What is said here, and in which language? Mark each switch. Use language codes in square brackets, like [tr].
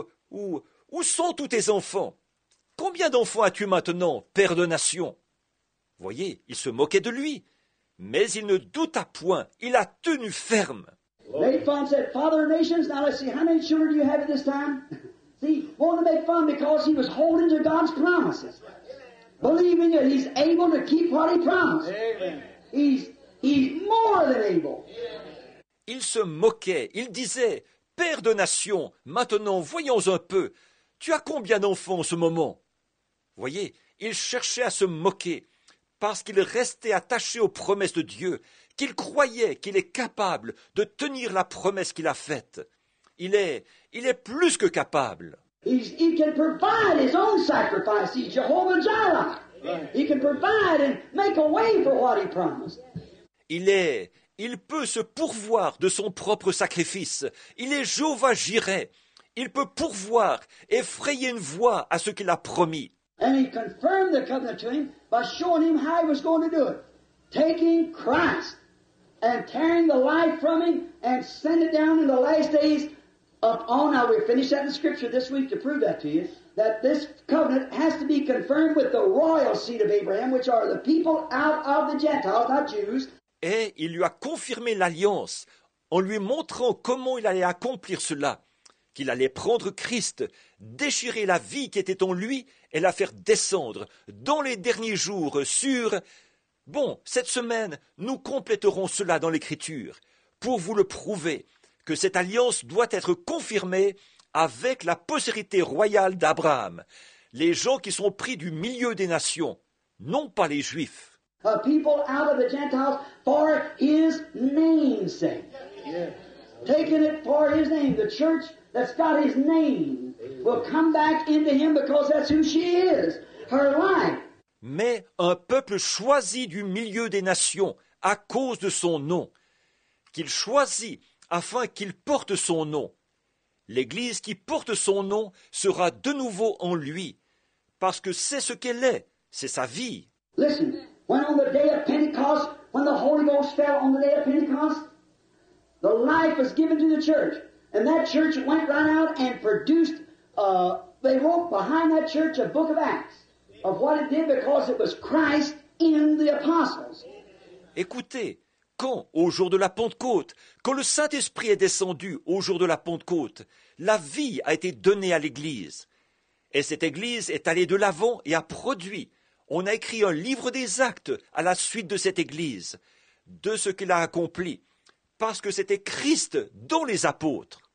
[fr] Où sont tous tes enfants? Combien d'enfants as-tu maintenant, père de nations? Voyez, il se moquait de lui. Mais il ne douta point, il a tenu ferme. [en] Made fun, said, father of nations, now let's see, how many children do you have at this time? See, wanted to make fun because he was holding to God's promises. Amen. Believing that he's able to keep what he promised. Amen. He's more than able. [fr] Il se moquait, il disait, père de nations, maintenant voyons un peu, tu as combien d'enfants en ce moment? Voyez, il cherchait à se moquer parce qu'il restait attaché aux promesses de Dieu, qu'il croyait qu'il est capable de tenir la promesse qu'il a faite. Il est plus que capable. [en] He can provide his own sacrifice, he's Jehovah Jireh. He can provide and make a way for what he promised. [fr] Il peut se pourvoir de son propre sacrifice. Il est Jehovah Jireh. Il peut pourvoir et frayer une voie à ce qu'il a promis. [en] And he confirmed the covenant to him by showing him how he was going to do it. Taking Christ and tearing the life from him and send it down in the last days up on. Now we finished that in scripture this week to prove that to you, that this covenant has to be confirmed with the royal seed of Abraham, which are the people out of the Gentiles, not Jews. [fr] Et il lui a confirmé l'alliance en lui montrant comment il allait accomplir cela, qu'il allait prendre Christ, déchirer la vie qui était en lui et la faire descendre dans les derniers jours sur... Bon, cette semaine, nous compléterons cela dans l'Écriture pour vous le prouver que cette alliance doit être confirmée avec la postérité royale d'Abraham, les gens qui sont pris du milieu des nations, non pas les Juifs. [en] A people out of the Gentiles for his name's sake. Yeah. Taking it for his name. The church that's got his name will come back into him because that's who she is, her life. [fr] Mais un peuple choisi du milieu des nations à cause de son nom, qu'il choisit afin qu'il porte son nom. L'Église qui porte son nom sera de nouveau en lui, parce que c'est ce qu'elle est, c'est sa vie. [en] Listen, when on the day of Pentecost, when the Holy Ghost fell on the day of Pentecost, the life was given to the church, and that church went right out and produced, they wrote behind that church a book of Acts. Of what it did because it was Christ in the apostles. [fr] Écoutez, quand, au jour de la Pentecôte, quand le Saint-Esprit est descendu au jour de la Pentecôte, la vie a été donnée à l'Église. Et cette Église est allée de l'avant et a produit. On a écrit un livre des actes à la suite de cette Église, de ce qu'il a accompli, parce que c'était Christ dans les apôtres.